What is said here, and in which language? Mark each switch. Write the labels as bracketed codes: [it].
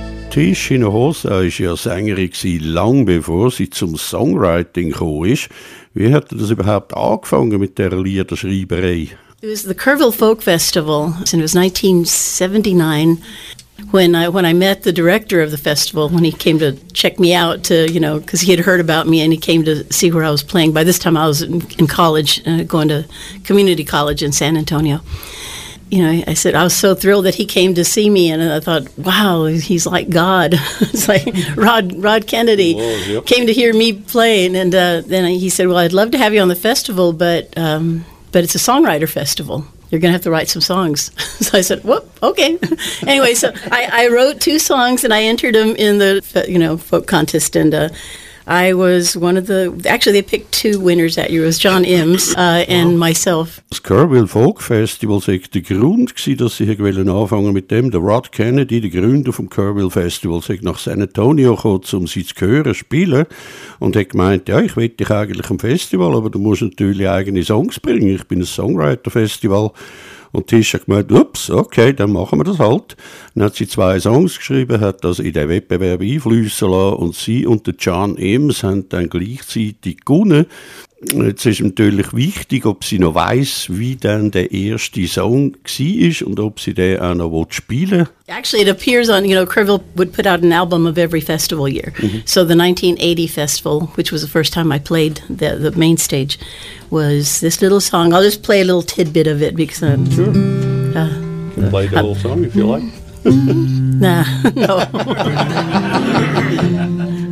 [de] Tish Hinojosa war ja Sängerin, lang bevor sie zum Songwriting kam. Wie hat das überhaupt angefangen mit der Liederschreiberei? [en] It was the Kerrville Folk Festival, and it was 1979 when I met the director of the festival, when he came to check me out, to, you know, because he had heard about me and he came to see where I was playing. By this time I was in college, going to community college in San Antonio. You know, I said, I was so thrilled that he came to see me, and I thought, wow, he's like God. It's like Rod Kennedy came to hear me playing, and then he said, well, I'd love to have you on the festival, but it's a songwriter festival. you're going to have to write some songs. So I said, whoop, okay. Anyway, so I wrote two songs, and I entered them in the, you know, folk contest, and I was one of the, actually they picked two winners that year, it was John Imms and myself. [de] Das Kerrville Folk Festival war der Grund, dass sie hier anfangen mit dem. Der Rod Kennedy, der Gründer vom Kerrville Festival, war nach San Antonio gekommen, um sie zu hören, spielen. Und hat gemeint, ja, ich will dich eigentlich am Festival, aber du musst natürlich eigene Songs bringen. Ich bin ein Songwriter-Festival. Und Tisch hat gemeint, ups, okay, dann machen wir das halt. Dann hat sie zwei Songs geschrieben, hat das in den Wettbewerb einfliessen lassen und sie und der John Imms haben dann gleichzeitig gewonnen. Jetzt ist natürlich wichtig, ob sie noch weiss, wie dann der erste Song war ist und ob sie den auch noch spielen will. [en] Actually, it appears on, you know, Kerrville would put out an album of every festival year. Mm-hmm. So the 1980 festival, which was the first time I played the main stage, was this little song. I'll just play a little tidbit of it because sure. Play the whole song if you like. Nah, no.